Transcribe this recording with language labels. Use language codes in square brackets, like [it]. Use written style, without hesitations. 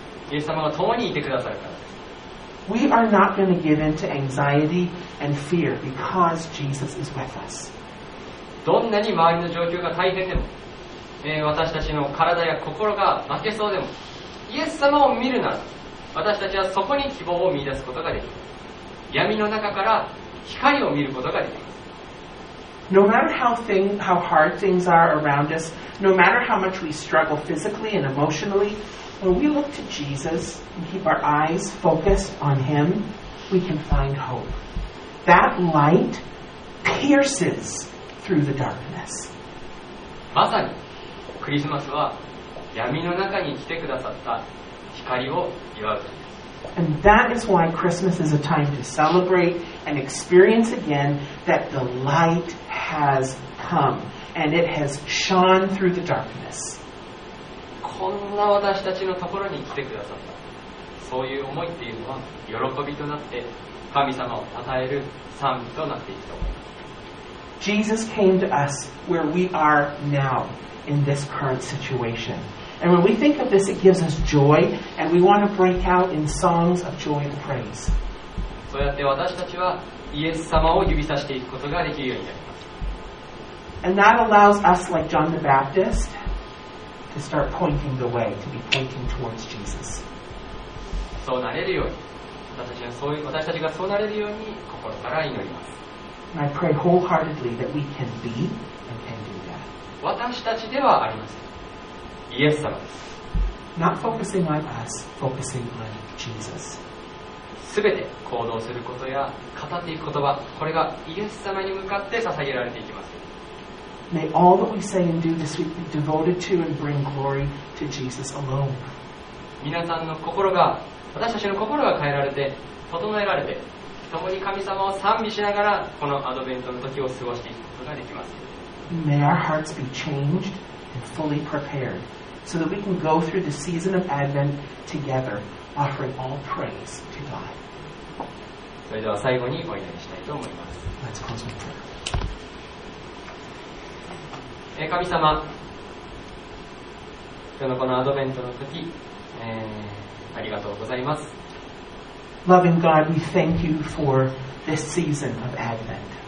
[ja] イエス様が共にいてくださるからです。 [en] We are not going to give in to anxiety and fear because Jesus is with us. [ja] どんなに周りの状況が大変でも、私たちの体や心が負けそうでも、イエス様を見るなら、私たちはそこに希望を見出すことができる。闇の中から光を見ることができる。 [en] No matter how hard things are around us, no matter how much we struggle physically and emotionally, when we look to Jesus and keep our eyes focused on Him, we can find hope. That light pierces. Through the darkness. [ja] まさにクリスマスは闇の中に来てくださった光を祝うです。 [en] And that is why Christmas is a time to celebrate and experience again that the light has come and it has shone through the darkness. [ja] こんな私たちのところに来てくださった。そういう思いっていうのは喜びとなって神様を讃える賛美となっていくと思います。 [en] Jesus came to us where we are now in this current situation. And when we think of this, it gives us joy, and we want to break out in songs of joy and praise. [ja] そうやって私たちはイエス様を指さしていくことができるようになります。 [en] And that allows us, like John the Baptist, to start pointing the way, to be pointing towards Jesus. [ja] そうなれるように、私たちがそうなれるように心から祈ります。 [en] And I pray wholeheartedly that we can be and can do that. [ja] 私たちではありません。イエス様です。 [en] Not focusing on us, focusing on Jesus. [ja] 全て行動することや語っていく言葉、これがイエス様に向かって捧げられていきます。 [en] May all that we say and do this week be devoted to and bring glory to Jesus alone. [ja] 皆さんの心が、私たちの心が変えられて、整えられて、共に神様を賛美しながらこのアドベントの時を過ごしていくことができます。 [en] May our hearts be changed and fully prepared so that we can go through the season of Advent together offering all praise to God. [ja] それでは最後にお祈りしたいと思います。 [en] Let's close with prayer. [ja] 神様、今日のこのアドベントの時、ありがとうございます。 [en] Loving God, we thank you for this season of Advent.